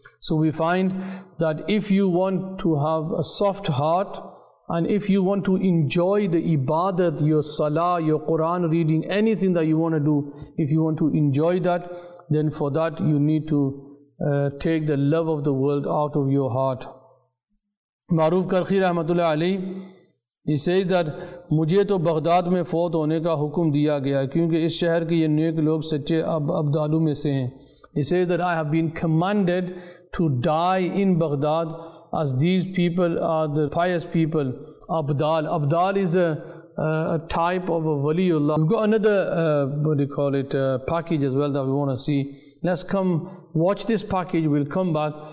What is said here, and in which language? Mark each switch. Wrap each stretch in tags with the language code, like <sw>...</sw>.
<en>So we find that if you want to have a soft heart, and if you want to enjoy the ibadat, your salah, your Quran reading, anything that you want to do, if you want to enjoy that, then for that you need to take the love of the world out of your heart.</en> <ur>Maruf Karkhi Rahmatullah Ali,</ur> <en>he says that</en> <ur>مجھے تو Baghdad میں فوت ہونے کا حکم دیا گیا کیونکہ اس شہر کے یہ نیک لوگ سچے ابدالوں میں سے ہیں.</ur> <en>He says that I have been commanded to die in Baghdad as these people are the pious people. Abdal. Abdal is a type of a waliullah. We've got another, package as well that we want to see. Let's come watch this package. We'll come back.</en>